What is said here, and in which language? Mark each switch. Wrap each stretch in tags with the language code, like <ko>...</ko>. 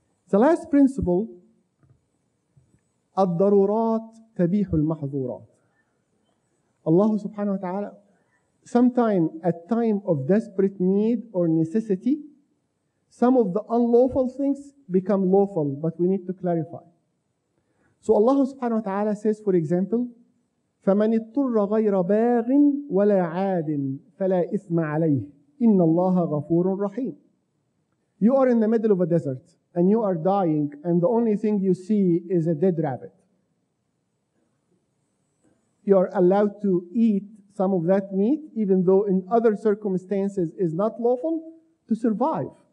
<en>The last principle,</en> <ar>الضرورات تبيح المحظورات.</ar> <en>Allah subhanahu wa ta'ala, sometime at time of desperate need or necessity, some of the unlawful things become lawful, but we need to clarify. So Allah subhanahu wa ta'ala says, for example,</en> <ar>فَمَنِ اضْطُرَّ غَيْرَ بَاغٍ وَلَا عَادٍ فَلَا إِثْمَ عَلَيْهِ إِنَّ اللَّهَ غَفُورٌ رَحِيمٌ.</ar> <en>You are in the middle of a desert and you are dying and the only thing you see is a dead rabbit. You are allowed to eat some of that meat even though in other circumstances is not lawful to survive.</en>